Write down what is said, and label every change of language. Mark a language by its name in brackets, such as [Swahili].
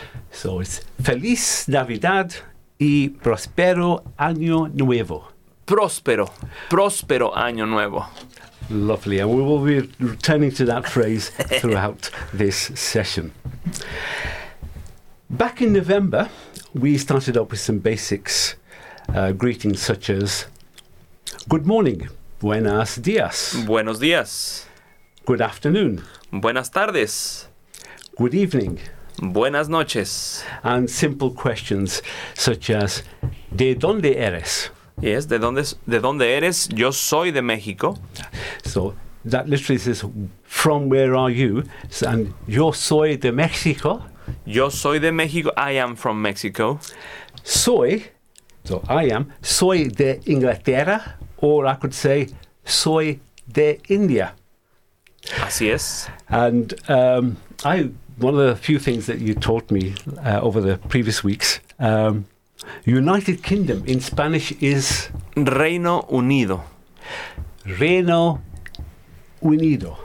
[English] So it's [Spanish] Feliz Navidad y Próspero Año Nuevo. Próspero Año Nuevo. [English] Lovely. And we will be returning to that phrase throughout this session. Back in November, we started up with some basics. Greetings such as good morning, [Spanish] buenos días, buenos días, [English] good afternoon, [Spanish] buenas tardes, [English] good evening, [Spanish] Buenas noches. [English] And simple questions such as, [Spanish] ¿de dónde eres? Yes, ¿de dónde eres? Yo soy de México. [English] So that literally says, from where are you? [Spanish] And yo soy de México. Yo soy de México. [English] I am from Mexico. [Spanish] Soy, [English] so I am, [Spanish] soy de Inglaterra. [English] Or I could say, [Spanish] soy de India. Así es. [English] And one of the few things that you taught me over the previous weeks, United Kingdom in Spanish is? [Spanish] Reino Unido. Reino Unido.